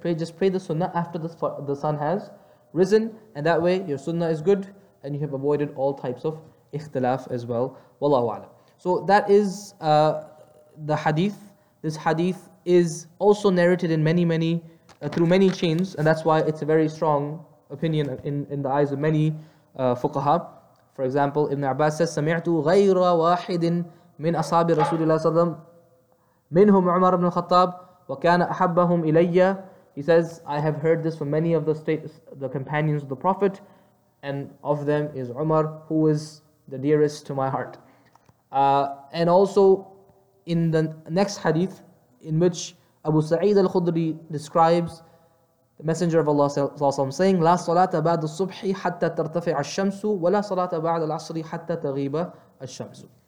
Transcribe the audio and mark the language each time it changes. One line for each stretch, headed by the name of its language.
English: Pray the Sunnah after the sun has risen, and that way your Sunnah is good and you have avoided all types of ikhtilaf as well. Wallahu a'lam. So that is the hadith. This hadith is also narrated in through many chains, and that's why it's a very strong opinion in the eyes of many fuqaha. For example, Ibn Abbas says,
Arabic: سَمِعْتُ غَيْرَ وَاحِدٍ مِنْ أَصَابِ رَسُولِ اللَّهِ صَلَّى اللَّهُ عَلَيْهِ وَسَلَّمَ مِنْهُمْ عُمَرَ بْنُ الْخَطَّابِ وَكَانَ أَحَبَّهُمْ إِلَيَّ.
English: He says, I have heard this from many of the companions of the Prophet, and of them is Umar, who is the dearest to my heart. And also in the next hadith, in which Abu Sa'id al-Khudri describes the Messenger of Allah sallallahu alaihi wasallam saying,
Arabic: لا صلاة بعد الصبح حتى ترتفع الشمس ولا صلاة بعد العصر حتى تغيب الشمس.